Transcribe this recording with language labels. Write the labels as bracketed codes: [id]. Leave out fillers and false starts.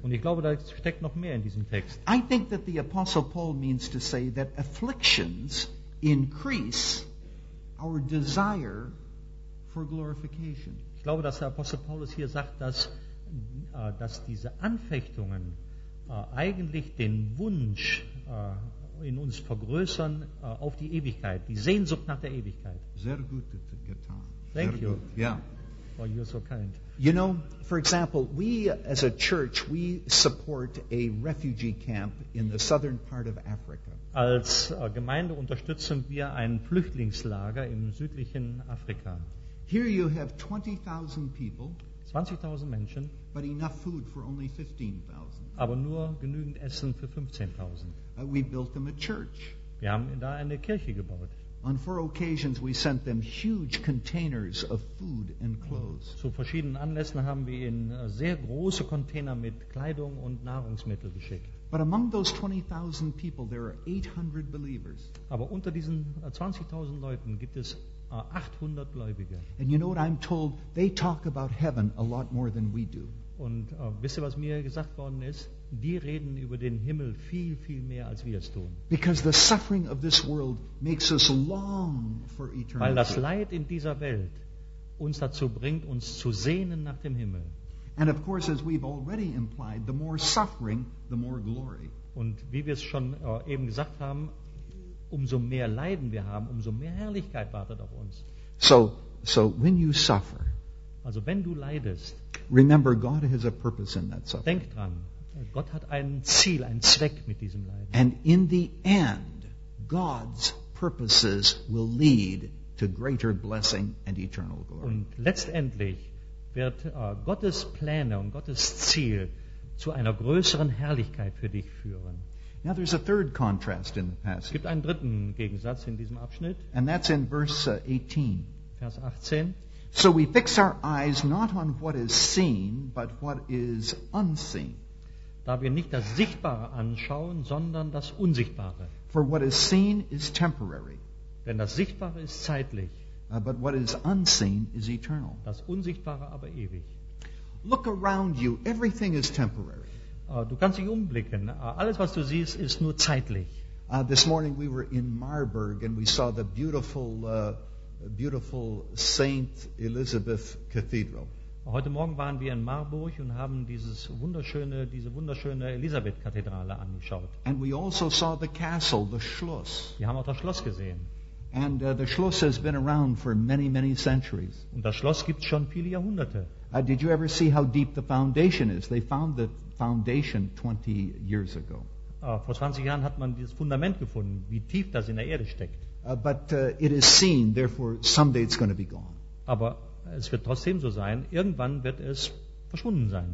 [de] Und ich glaube, da steckt noch mehr in diesem Text. [en] I think that the Apostle Paul means to say that afflictions increase our desire for glorification. [de] Ich glaube, dass der Apostel Paulus hier sagt, dass diese Anfechtungen eigentlich den Wunsch in uns vergrößern auf die Ewigkeit, die Sehnsucht nach der Ewigkeit. Sehr gut getan. [en] Thank you. Yeah. Oh, you're so kind. You know, for example, we as a church, we support a refugee camp in the southern part of Africa. [de] Als Gemeinde unterstützen wir ein Flüchtlingslager im südlichen Afrika. [en] Here you have 20,000 people. [de] 20,000 Menschen. [en] But enough food for only 15,000. [de] Aber nur genügend Essen für 15,000. [en] We built them a church. [de] Wir haben da eine Kirche gebaut. [en] On four occasions we sent them huge containers of food and clothes. [de] Zu verschiedenen Anlässen haben wir ihnen sehr große Container mit Kleidung und Nahrungsmittel geschickt. [en] But among those 20,000 people there are 800 believers. [de] Aber unter diesen 20,000 Leuten gibt es 800 Gläubige. [en] And you know what I'm told? They talk about heaven a lot more than we do. [de] Und wisst ihr, was mir gesagt worden ist? Die reden über den Himmel viel, viel mehr, als wir es tun. [en] Because the suffering of this world makes us long for eternity. [de] Weil das Leid in dieser Welt uns dazu bringt, uns zu sehnen nach dem Himmel. [en] And of course, as we've already implied, the more suffering, the more glory. [de] Und wie wir es schon eben gesagt haben, umso mehr Leiden wir haben, umso mehr Herrlichkeit wartet auf uns. [en] So when you suffer, [de] also wenn du leidest, [en] remember God has a purpose in that suffering. [de] Denk dran, Gott hat ein Ziel, einen Zweck mit diesem Leiden. [en] And in the end, God's purposes will lead to greater blessing and eternal glory. [de] Und letztendlich wird Gottes Pläne und Gottes Ziel zu einer größeren Herrlichkeit für dich führen. [en] Now there's a third contrast in the passage. [de] Es gibt einen dritten Gegensatz in diesem Abschnitt. [en] And that's in verse 18. [de] Vers 18. [en] So we fix our eyes not on what is seen, but what is unseen. [de] Da wir nicht das Sichtbare anschauen, sondern das Unsichtbare. [en] For what is seen is temporary. [de] Denn das Sichtbare ist zeitlich. [en] But what is unseen is eternal. [de] Das Unsichtbare aber ewig. [en] Look around you, everything is temporary. [de] Du kannst dich umblicken. Alles, was du siehst, ist nur zeitlich. [en] This morning we were in Marburg and we saw the beautiful St. Elizabeth Cathedral. [de] Heute Morgen waren wir in Marburg und haben diese wunderschöne Elisabeth-Kathedrale angeschaut. [en] And we also saw the castle, the Schloss. [de] Wir haben auch das Schloss gesehen. [en] And the Schloss has been around for many, many centuries. [de] Und das Schloss gibt's schon viele Jahrhunderte. [en] Did you ever see how deep the foundation is? They found the foundation 20 years ago. [de] Vor 20 Jahren hat man dieses Fundament gefunden, wie tief das in der Erde steckt. [en] But it is seen, therefore someday it's going to be gone. [de] Aber es wird trotzdem so sein, irgendwann wird es verschwunden sein.